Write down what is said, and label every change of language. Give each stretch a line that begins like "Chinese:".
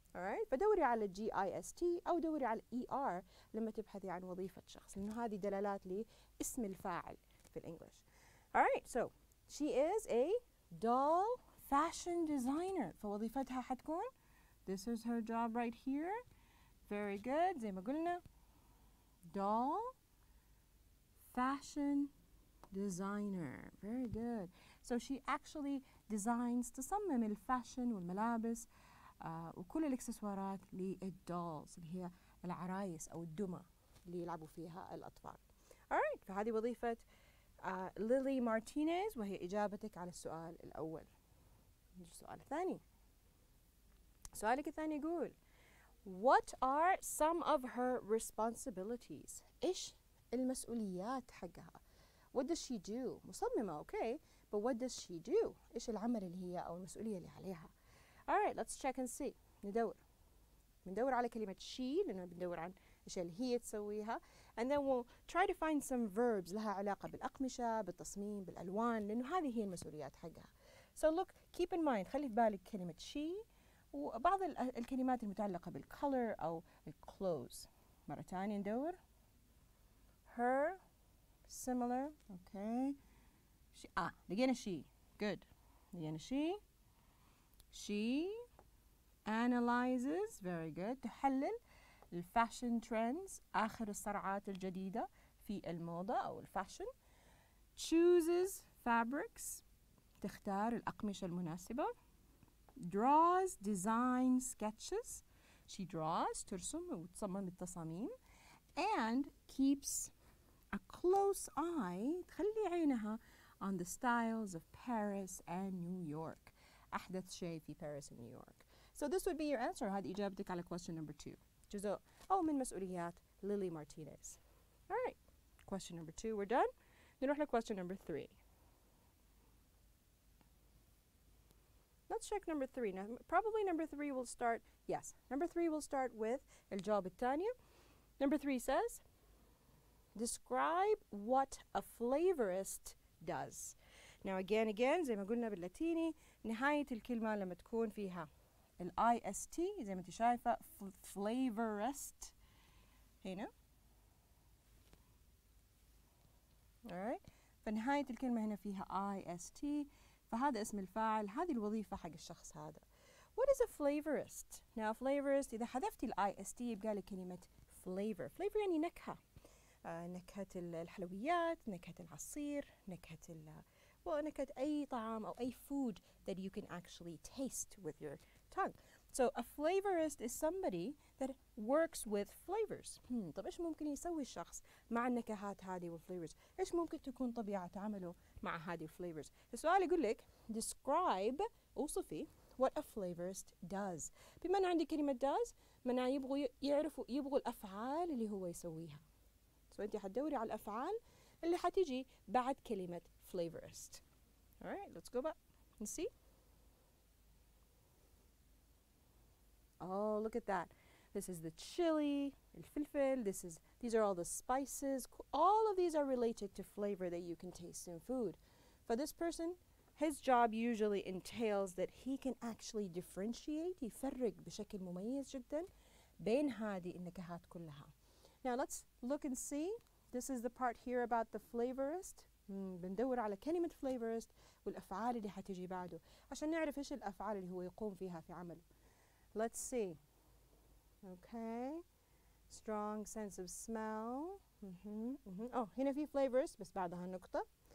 Arabic: Alright, فدوري على GIST أو دوري على ER لما تبحثي عن وظيفة شخص لأنه هذه دلالات لإسم الفاعل في الإنجليش.
English: Alright, so she is a doll fashion designer
Arabic: فوظيفتها حتكون
English: this is her job right here. Very good.
Arabic: زي ما قلنا, doll, fashion, designer.
English: Very good. So she actually designs
Arabic: تصمم الفاشن والملابس وكل الاكسسوارات للدولز اللي هي العرايس أو الدمى اللي يلعبوا فيها الأطفال.
English: Alright.
Arabic: فهذه وظيفة Lily Martinez وهي إجابتك على السؤال الأول. السؤال الثاني. سؤالك الثاني يقول
English: What are some of her responsibilities?
Arabic: إيش المسؤوليات حقها?
English: What does she do? مصممة, okay. But what does she do?
Arabic: إيش العمل اللي هي أو المسؤولية اللي عليها?
English: Alright, let's check and see.
Arabic: ندور على كلمة she لأنه بندور عن إيش اللي هي تسويها.
English: And then we'll try to find some verbs
Arabic: لها علاقة بالأقمشة، بالتصميم، بالألوان، لأنه هذه هي المسؤوليات حقها.
English: So look, keep in mind،
Arabic: خلي في بالك كلمة she وبعض الكلمات المتعلقة بالcolor أو clothes. مرة تانية ندور.
English: Her, similar, okay.
Arabic: لقينا she. Good. لقينا she.
English: She analyzes, very good.
Arabic: تحلل الفاشن ترندز، آخر الصرعات الجديدة في الموضة أو الفاشن.
English: Chooses fabrics،
Arabic: تختار الأقمشة المناسبة.
English: Draws design sketches، she draws،
Arabic: ترسم وتصمم التصاميم.
English: And keeps a close eye،
Arabic: تخلي عينها
English: on the styles of Paris and New York،
Arabic: أحدث شيء في
English: Paris and New York. So this would be your answer،
Arabic: هذه إجابتك على
English: question number 2،
Arabic: جزء أو من مسؤوليات ليلي مارتينيز.
English: All right, question number 2 we're done. نروح لquestion number 3. Let's check number 3. Now, probably number 3 will start, yes, number 3 will start with
Arabic: الجواب الثاني.
English: Number 3 says, describe what a flavorist does.
Arabic: Now again, زي ما قلنا باللاتيني، نهاية الكلمة لما تكون فيها الIST زي ما انت شايفة flavorist هنا.
English: Alright.
Arabic: فنهاية الكلمة هنا فيها IST، فهذا اسم الفاعل، هذه الوظيفة حق الشخص هذا.
English: What is a flavorist? Now flavorist،
Arabic: إذا حذفتي الIST يبقى لك كلمة
English: flavor. Flavor
Arabic: يعني نكهة. نكهة الحلويات، نكهة العصير، نكهة ونكهة أي طعام أو أي
English: food that you can actually taste with your tongue. So a flavorist is somebody that works with flavors.
Arabic: طب إيش ممكن يسوي الشخص مع النكهات هذه والflavors؟ إيش ممكن تكون طبيعة عمله مع هذه الflavors؟ السؤال يقول لك describe، أوصفي
English: what a flavorist does.
Arabic: بما أن عندي كلمة does، منا يبغوا يعرفوا، يبغوا الأفعال اللي هو يسويها. سو أنت حتدوري على الأفعال اللي حتيجي بعد كلمة flavorist.
English: Alright, let's go back and see. Oh, look at that. This is the chili, الفلفل. This is, these are all the spices. All of these are related to flavor that you can taste in food. For this person, his job usually entails that he can actually differentiate,
Arabic: يفرق بشكل مميز جدا بين هذه النكهات كلها.
English: Now, let's look and see. This is the part here about the flavorist.
Arabic: بندور على كلمة flavorist والأفعال اللي حتجي بعده عشان نعرف إيش الأفعال اللي هو يقوم فيها في عمله.
English: Let's see. Okay. Strong sense of smell.
Arabic: Oh, هنا في flavors بس بعدها نقطة.